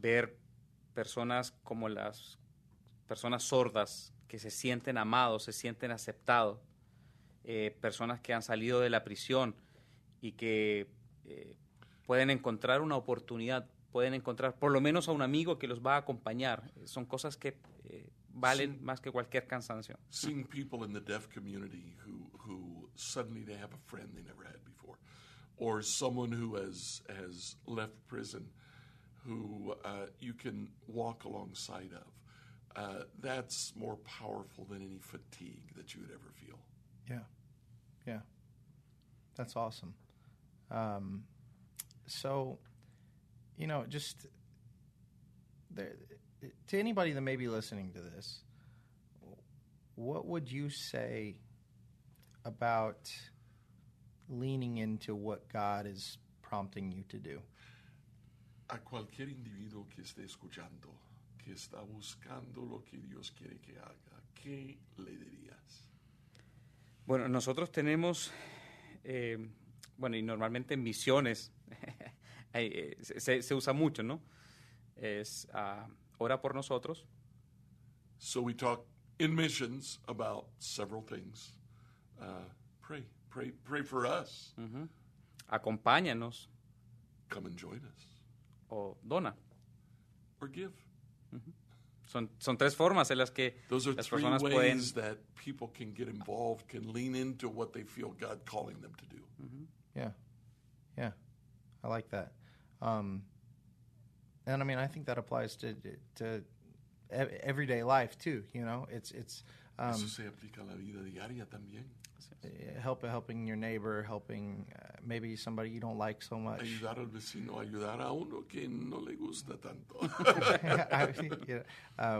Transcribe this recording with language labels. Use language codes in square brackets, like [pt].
[es] Ver personas como las personas sordas que se sienten amados, se sienten aceptados. Personas que han salido de la prisión y que pueden encontrar una oportunidad, pueden encontrar por lo menos a un amigo que los va a acompañar. Son cosas que valen más que cualquier cansancio. [en] Seeing people in the deaf community who suddenly they have a friend they never had before, or someone who has left prison who you can walk alongside of, that's more powerful than any fatigue that you would ever feel. Yeah. Yeah. That's awesome. So, you know, just there, to anybody that may be listening to this, what would you say about leaning into what God is prompting you to do? [es] A cualquier individuo que esté escuchando, que está buscando lo que Dios quiere que haga, ¿qué le dirías? Bueno, nosotros tenemos, y normalmente misiones, se usa mucho, ¿no? Es ora por nosotros. [en] So we talk in missions about several things. Pray for us. [es] Uh-huh. Acompáñanos. [en] Come and join us. [es] O dona. [en] Or give. [es] Son tres formas en las que [en] those are [es] las [en] three [es] personas [en] ways [es] pueden [en] that people can get involved, can lean into what they feel God calling them to do. Mm-hmm. Yeah. Yeah. I like that. And I mean, I think that applies to everyday life too, you know. It's [es] eso se aplica a la vida diaria también. [en] Helping your neighbor, helping maybe somebody you don't like so much. [es] Ayudar al vecino, ayudar a uno que no le gusta tanto.